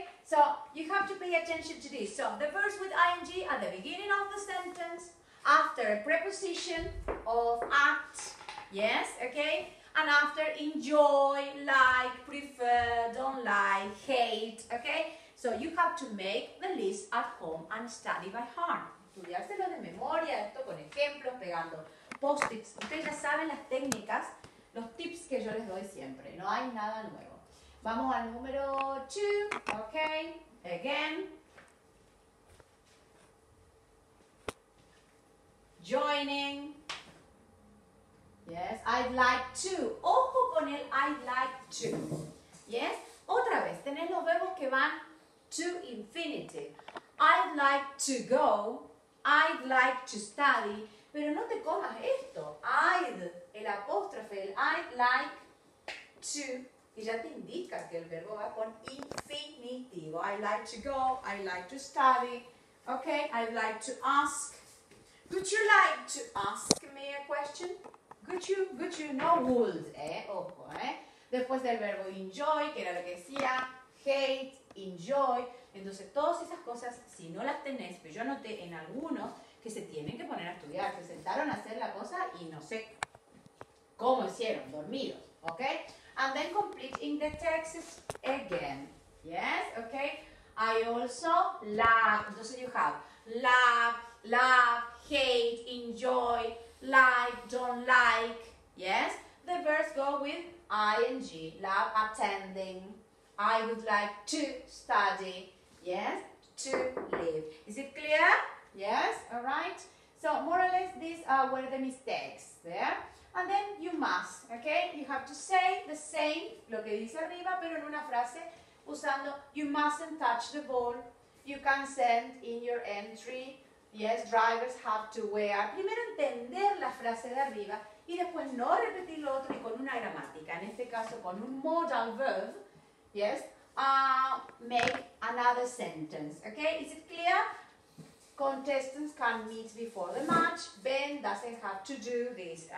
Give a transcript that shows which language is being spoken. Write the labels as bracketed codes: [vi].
[en] So, you have to pay attention to this. So, the verbs with ing at the beginning of the sentence, after a preposition of at, yes, okay? And after enjoy, like, prefer, don't like, hate, okay? So, you have to make the list at home and study by heart. [es] Estudiárselo de memoria, esto con ejemplos, pegando post-its. Ustedes ya saben las técnicas, los tips que yo les doy siempre. No hay nada nuevo. Vamos al número 2, [en] ok, again, joining, yes, I'd like to, [es] ojo con el [en] I'd like to, yes, [es] otra vez, tenés los verbos que van [en] to infinity, I'd like to go, I'd like to study. [es] Pero no te comas esto. I'd, el apóstrofe, el [en] I'd like to. [es] Y ya te indica que el verbo va con infinitivo. [en] I'd like to go. I'd like to study. Okay, I'd like to ask. Would you like to ask me a question? Would you? No would, Ojo, Después del verbo enjoy, que era lo que decía, hate, enjoy. [es] Entonces, todas esas cosas, si no las tenés, pero yo anoté en algunos que se tienen que poner a estudiar. Se sentaron a hacer la cosa y no sé cómo hicieron, dormidos, ¿ok? [en] And then completing the text again, yes, ¿ok? I also love, entonces you have love, hate, enjoy, like, don't like, yes? The verbs go with ing, love, attending, I would like to study, yes? To live. Is it clear? Yes, all right? So more or less these are were the mistakes there. And then you must, okay? You have to say the same, [es] lo que dice arriba, pero en una frase, usando [en] you mustn't touch the ball, you can't send in your entry, yes, drivers have to wear. [es] Primero entender la frase de arriba y después no repetir lo otro y con una gramática, en este caso con un modal verb, [en] yes, make another sentence, okay? Is it clear? Contestants can meet before the match, Ben doesn't have to do this.